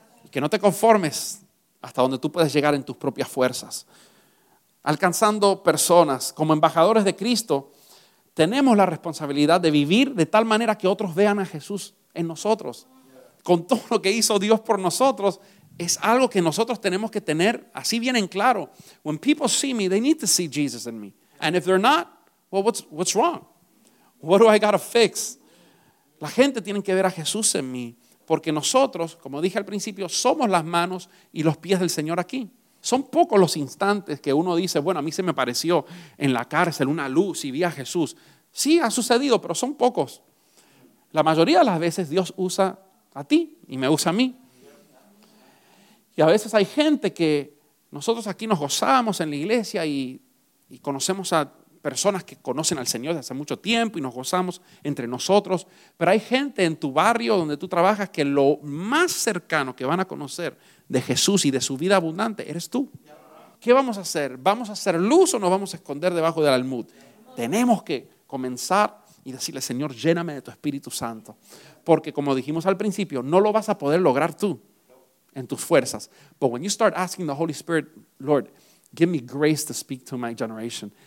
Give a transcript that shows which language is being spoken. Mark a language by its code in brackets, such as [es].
[es] Que no te conformes hasta donde tú puedes llegar en tus propias fuerzas. Alcanzando personas como embajadores de Cristo, tenemos la responsabilidad de vivir de tal manera que otros vean a Jesús en nosotros. Con todo lo que hizo Dios por nosotros, es algo que nosotros tenemos que tener así bien en claro. [en] When people see me, they need to see Jesus in me. And if they're not, well, what's wrong? What do I got to fix? [es] La gente tiene que ver a Jesús en mí, porque nosotros, como dije al principio, somos las manos y los pies del Señor aquí. Son pocos los instantes que uno dice, bueno, a mí se me apareció en la cárcel una luz y vi a Jesús. Sí, ha sucedido, pero son pocos. La mayoría de las veces Dios usa a ti y me usa a mí. Y a veces hay gente que nosotros aquí nos gozamos en la iglesia y conocemos a personas que conocen al Señor desde hace mucho tiempo y nos gozamos entre nosotros. Pero hay gente en tu barrio donde tú trabajas que lo más cercano que van a conocer de Jesús y de su vida abundante eres tú. ¿Qué vamos a hacer? ¿Vamos a hacer luz o nos vamos a esconder debajo del almud? Tenemos que comenzar y decirle, Señor, lléname de tu Espíritu Santo. Porque como dijimos al principio, no lo vas a poder lograr tú en tus fuerzas. [en] But when you start asking the Holy Spirit, Lord, give me grace to speak to my generation.